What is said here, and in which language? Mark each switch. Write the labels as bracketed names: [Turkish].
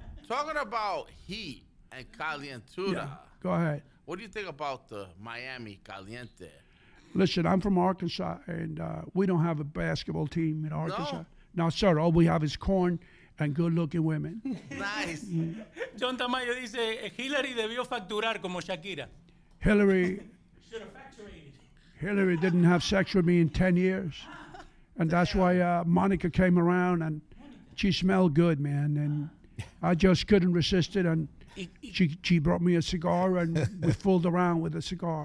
[English] Talking about heat and calientura. Yeah, go ahead. What do you think about the Miami Caliente? Listen, I'm from Arkansas, and we don't have a basketball team in Arkansas. No, sir, all we have is corn and good-looking women. Nice. [Spanish] John Tamayo dice, Hillary debió facturar como Shakira. [English] Hillary Hillary didn't have sex with me in 10 years. And that's why Monica came around, and she smelled good, man. And I just couldn't resist it, and she brought me a cigar, and we fooled around with a cigar.